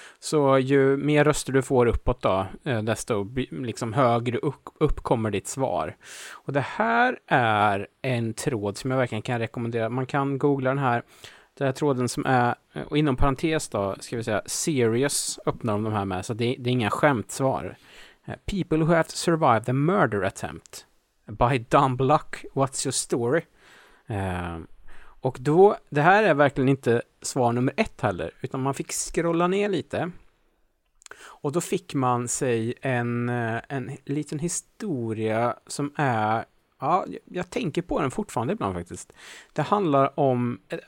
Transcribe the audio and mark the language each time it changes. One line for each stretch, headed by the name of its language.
Swedish: Så ju mer röster du får uppåt då, desto liksom högre upp kommer ditt svar. Och det här är en tråd som jag verkligen kan rekommendera. Man kan googla den här. Den här tråden som är, och inom parentes då, ska vi säga, serious öppnar de här med. Så det är inga skämtsvar.
English: People who have to survive the murder attempt. By dumb luck, what's your story?
Swedish: Och då, det här är verkligen inte svar nummer ett heller. Utan man fick scrolla ner lite. Och då fick man sig en liten historia som är... Ja, jag tänker på den fortfarande ibland faktiskt. Det handlar om...